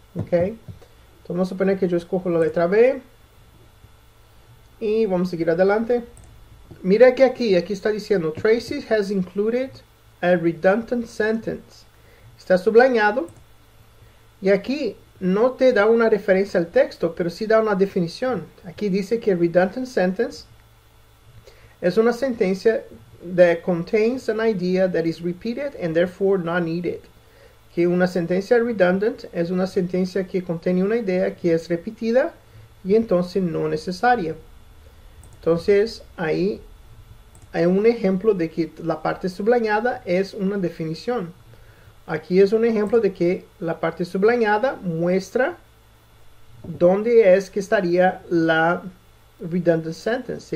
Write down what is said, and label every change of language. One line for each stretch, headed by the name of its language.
Spanish: ¿Okay? Vamos a suponer que yo escojo la letra B y vamos a seguir adelante. Mira que aquí está diciendo
English: Tracy has included a redundant sentence.
Spanish: Está sublineado y aquí no te da una referencia al texto, pero sí da una definición. Aquí dice que
English: redundant sentence
Spanish: es una sentencia
English: that contains an idea that is repeated and therefore not needed.
Spanish: Que una sentencia redundant es una sentencia que contiene una idea que es repetida y entonces no necesaria. Entonces, ahí hay un ejemplo de que la parte sublineada es una definición. Aquí es un ejemplo de que la parte sublineada muestra dónde es que estaría la redundant sentence.